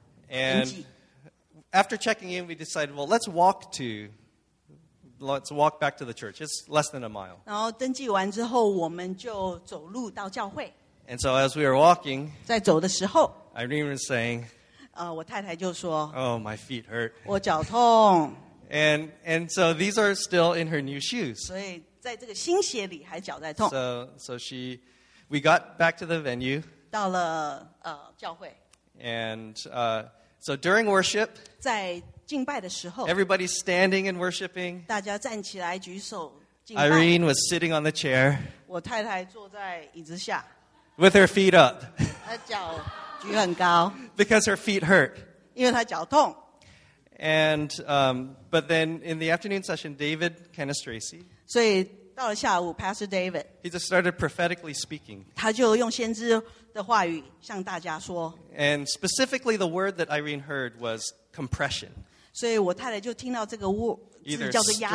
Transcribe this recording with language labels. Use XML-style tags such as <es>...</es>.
<en>And after checking in, we decided, well, let's walk back to the church. It's less than a mile.</en> <zh>然后登记完之后，我们就走路到教会。</zh> <en>And so as we were walking,</en> <zh>在走的时候,</zh> <en>Irene was saying,</en> <zh>我太太就说,</zh> <en>oh, my feet hurt.</en> <zh>我脚痛。</zh> <en>And so these are still in her new shoes.</en> <zh>所以在这个新鞋里还脚在痛。</zh> <en>So we got back to the venue.</en> <zh>到了, 教会。</zh> <en>And so during worship,</en> <zh>在敬拜的时候,</zh> <en>everybody's standing and worshiping.</en> <zh>大家站起来举手敬拜,</zh> <en>Irene was sitting on the chair.</en> <zh>我太太坐在椅子下,</zh> <en>with her feet up.</en> <zh>她脚举很高,</zh> <en>because her feet hurt.</en> <zh>因为她脚痛。</zh> <en>And but then in the afternoon session, David Canestraci,</en> <zh>所以到了下午, Pastor David,</zh> <en>he just started prophetically speaking.</en> <zh>他就用先知的话语向大家说,</zh> <en>and specifically the word that Irene heard was compression.</en> <zh>所以我太太就听到这个字叫做压力。</zh>